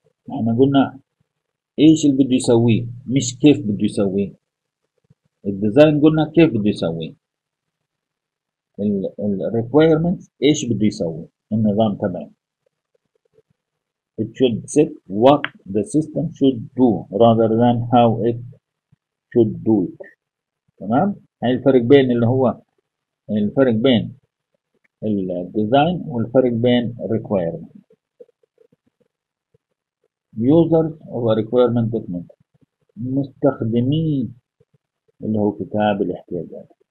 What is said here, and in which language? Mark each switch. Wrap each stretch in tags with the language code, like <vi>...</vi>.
<ar>احنا قلنا ايش اللي بده يسويه مش كيف بده يسويه. الديزاين قلنا كيف بده يسويه, ال requirements ايش بده يسوي النظام تبعي.</ar> <en>It should set what the system should do rather than how it should do it.</en> <ar>تمام, هاي الفرق بين اللي هو الفرق بين الديزاين والفرق بين requirement.</ar> <en>Users of a requirement document,</en> <ar>مستخدمي اللي هو كتاب الاحتياجات.</ar>